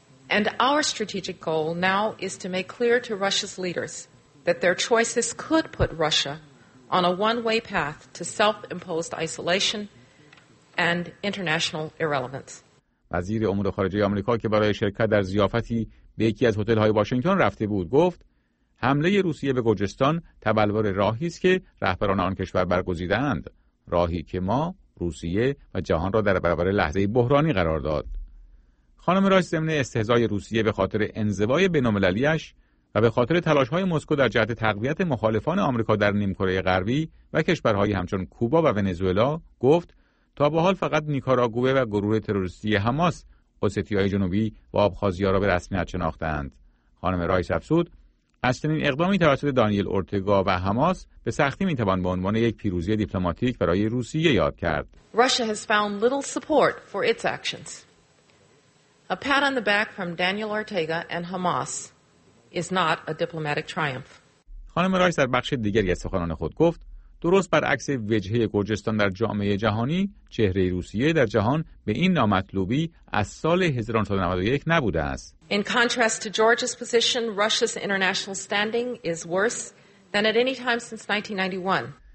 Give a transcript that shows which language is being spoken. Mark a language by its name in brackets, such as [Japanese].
[English] And our strategic goal now is to make clear to Russia's leaders that their choices could put Russia on a one-way path to self-imposed isolation and international irrelevance. [Persian] وزیر امور خارجه آمریکا که برای شرکت در ضیافتی به یکی از هتل‌های واشنگتن رفته بود گفت حمله روسیه به گرجستان تبلور راهی است که رهبران آن کشور برگزیده‌اند، راهی که ما، روسیه و جهان را در برابر لحظه بحرانی قرار داد. خانم رایس ضمن استهزای روسیه به خاطر انزوای بین‌المللی‌اش و به خاطر تلاش‌های مسکو در جهت تقویت مخالفان آمریکا در نیمکره غربی و کشورهایی همچون کوبا و ونزوئلا گفت تا به حال فقط نیکاراگوئه و گروه تروریستی حماس اوستیای جنوبی و آبخازیا را به رسمیت شناختند. خانم رایس افزود از چنین اقدامی توسط دانیل اورتگا و حماس به سختی میتوان به عنوان یک پیروزی دیپلماتیک برای روسیه یاد کرد. [English] Russia has found little support for its actions. A pat on the back from Daniel Ortega and Hamas is not a diplomatic triumph. [Persian] خانم رایس در بخش دیگری از سخنان خود گفت درست برعکس وجهه گرجستان در جامعه جهانی، چهره روسیه در جهان به این نامطلوبی از سال 1991 نبوده است. [English] In contrast to Georgia's position, Russia's international standing is worse than at any time since 1991.